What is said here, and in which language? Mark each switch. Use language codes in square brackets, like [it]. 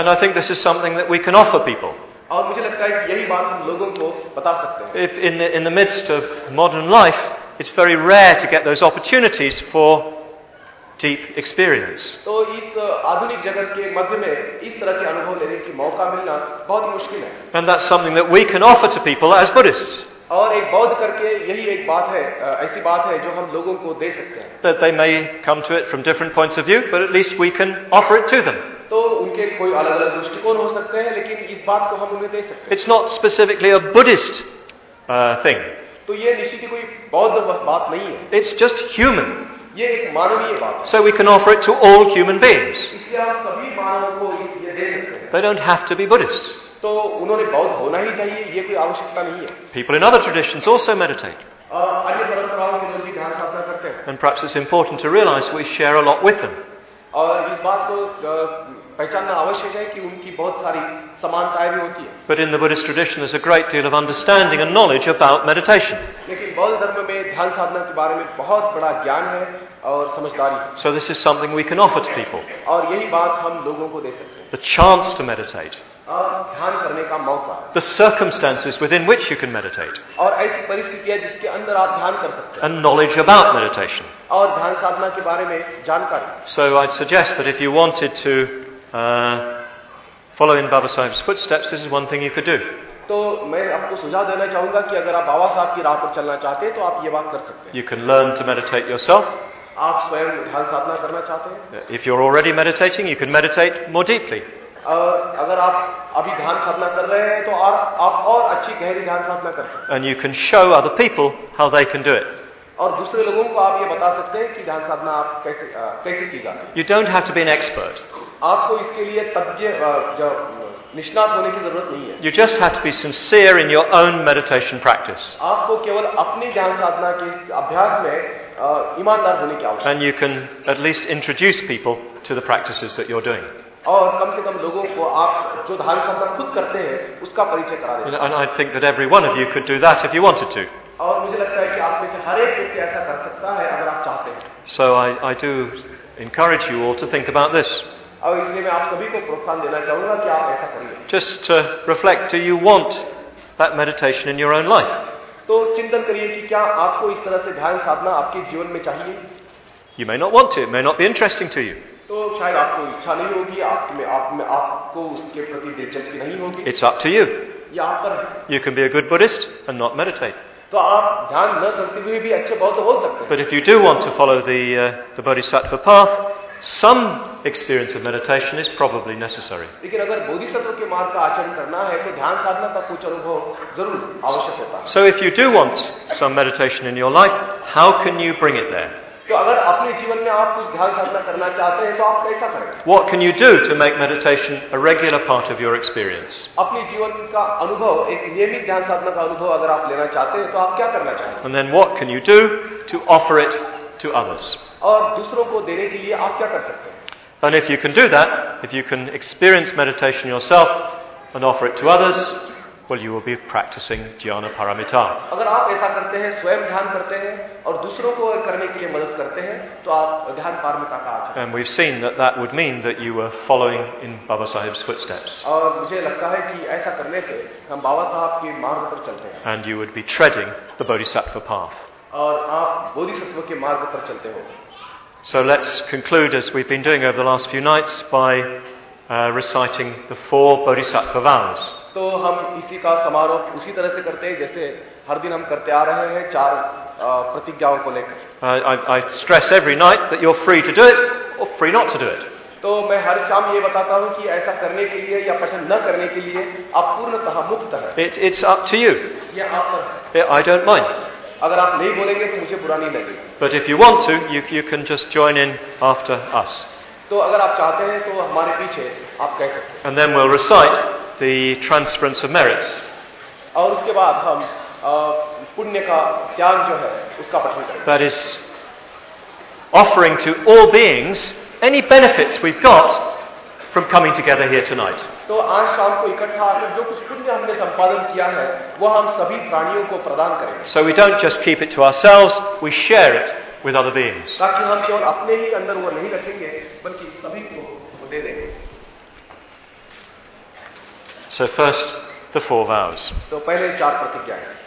[en] And I think this is something that we can offer people. [hi] और मुझे लगता है कि यही बात हम लोगों को बता सकते हैं. [en] If in the midst of modern life, it's very rare to get those opportunities for deep experience. [hi] तो इस आधुनिक जगत के मध्य में इस तरह के अनुभव लेने की मौका मिलना बहुत मुश्किल है. [en] And that's something that we can offer to people as Buddhists. [hi] और एक बौद्ध करके यही एक बात है, ऐसी बात है जो हम लोगों को दे सकते हैं. [en] That they may come to it from different points of view, but at least we can offer it to them. [hi] तो उनके कोई अलग अलग दृष्टिकोण हो सकते हैं, लेकिन इस बात को हम उन्हें दे सकते हैं. [en] It's not specifically a Buddhist thing. [hi] तो ये निश्चित ही कोई बौद्ध बात नहीं है. [en] It's just human. [hi] ये एक मानवीय बात है. [en] So we can offer it to all human beings. [hi] इसलिए आप सभी मानवों को ये दे सकते हैं. [en] They don't have to be Buddhists. [hi] तो उन्होंने बौद्ध होना ही चाहिए, ये कोई आवश्यकता नहीं है. [en] People in other traditions also meditate. [hi] अन्य परंपराओं के लोग भी ध्यान साधना करते हैं. [en] And perhaps it's important to realize we share a lot with them. [hi] और इस बात को पहचानना आवश्यक है कि उनकी बहुत सारी समानताएं भी होती हैं. [en] But in the Buddhist tradition, there's a great deal of understanding and knowledge about meditation. [hi] लेकिन बौद्ध धर्म में ध्यान साधना के बारे में बहुत बड़ा ज्ञान है और समझदारी. [en] So this is something we can offer to people. [hi] और यही बात हम लोगों को दे सकते हैं. [en] The chance to meditate. [hi] ध्यान करने का मौका. [en] The circumstances within which you can meditate. [hi] और ऐसी परिस्थितियां जिसके अंदर आप ध्यान कर सकते हैं. [en] And knowledge about meditation. [hi] और ध्यान साधना के बारे में जानकारी. [en] So I'd suggest that if you wanted to follow in Baba Sahib's footsteps, this is one thing you could do. [hi] तो मैं आपको सुझाव देना चाहूंगा कि अगर आप बाबा साहब की राह पर चलना चाहते हैं तो आप ये बात कर सकते हैं. [en] You can learn to meditate yourself. [hi] आप स्वयं ध्यान साधना करना चाहते हैं. [en] If you're already meditating, you can meditate more deeply. [hi] अगर आप अभी ध्यान साधना कर रहे हैं तो आप और अच्छी गहरी ध्यान साधना कर सकते हैं. [en] And you can show other people how they can do it. [hi] और दूसरे लोगों को आप ये बता सकते हैं कि ध्यान साधना आप कैसे कैसे की जाती है. [en] You don't have to be an expert. [hi] आपको इसके लिए तज्ञ निष्णात होने की जरूरत नहीं है. [en] You just have to be sincere in your own meditation practice. [hi] आपको केवल अपनी ध्यान साधना के अभ्यास में ईमानदार होने की आवश्यकता. [en] And you can at least introduce people to the practices that you're doing. [hi] और कम से कम लोगों को आप जो ध्यान साधना खुद करते हैं उसका परिचय करा देते हैं. [en] And I think that every one of you could do that if you wanted to. [hi] और मुझे लगता है कि आप में से हर एक व्यक्ति ऐसा कर सकता है अगर आप चाहते हैं. [en] So I do encourage you all to think about this. [hi] और इसलिए मैं आप सभी को प्रोत्साहन देना चाहूंगा कि आप ऐसा करिए. [en] Just reflect, do you want that meditation in your own life? [hi] तो चिंतन करिए कि क्या आपको इस तरह से ध्यान साधना आपके जीवन में चाहिए. [en] You may not want to, it may not be interesting to you. [hi] तो शायद आपको इच्छा नहीं होगी, आपको उसके प्रति दिलचस्पी नहीं होगी. [en] It's up to you. [hi] ये आप पर है. [en] You can be a good Buddhist and not meditate. [hi] तो आप ध्यान न करते हुए भी अच्छे बौद्ध हो सकते हैं. [en] But if you do want to follow the Bodhisattva path, some experience of meditation is probably necessary. [hi] लेकिन अगर बोधिसत्व के मार्ग का आचरण करना है तो ध्यान साधना का कुछ अनुभव जरूर आवश्यक होता है. [en] So if you do want some meditation in your life, how can you bring it there? [hi] तो अगर अपने जीवन में आप कुछ ध्यान साधना करना चाहते हैं तो आप कैसा करें? [en] What can you do to make meditation a regular part of your experience? [hi] अपने जीवन का अनुभव, एक नियमित ध्यान साधना का अनुभव अगर आप लेना चाहते हैं तो आप क्या करना चाहते हैं? [en] And then what can you do to offer it to others? [hi] और दूसरों को देने के लिए आप क्या कर सकते हैं? [en] And if you can do that, if you can experience meditation yourself and offer it to others, well, you will be practicing Dhyana Paramita. [hi] अगर आप ऐसा करते हैं, स्वयं ध्यान करते हैं और दूसरों को करने के लिए मदद करते हैं, तो आप ध्यान पारमिता का आचरण. [en] And we've seen that that would mean that you were following in Baba Sahib's footsteps. [hi] और मुझे लगता है कि ऐसा करने से हम बाबा साहब के मार्ग पर चलते हैं. [en] And you would be treading the Bodhisattva path. [hi] और आप बोधिसत्व के मार्ग पर चलते हो. [en] So let's conclude, as we've been doing over the last few nights, by reciting the four Bodhisattva vows. [hi] तो हम इसी का समारोह उसी तरह से करते हैं जैसे हर दिन हम करते आ रहे हैं चार प्रतिज्ञाओं को लेकर. [en] I stress every night that you're free to do it or free not to do it. [hi] तो मैं हर शाम ये बताता हूँ कि ऐसा करने के लिए या पठन न करने के लिए आप पूर्णतः मुक्त हैं. [en] It's up to you. [hi] यह आप पर है. [en] I don't mind. [hi] अगर आप नहीं बोलेंगे तो मुझे बुरा नहीं लगेगा. [en] But if you want to, you can just join in after us. [hi] तो अगर आप चाहते हैं तो हमारे पीछे आप कह सकते हैं. [en] And then we'll recite the transference of merits. [hi] और उसके बाद हम पुण्य का त्याग जो है उसका पठन करेंगे. [en] That is offering to all beings any benefits we've got from coming together here tonight. [hi] तो आज शाम को इकट्ठा होकर जो कुछ पुण्य हमने संपादन किया है वो हम सभी प्राणियों को प्रदान करेंगे. [en] So we don't just keep it to ourselves, we share it with other beings. [hi] ताकि हम केवल अपने ही अंदर वो नहीं रखेंगे बल्कि सभी को वो दे देंगे. [en] So first, the four vows. [hi] तो पहले चार प्रतिज्ञाएं.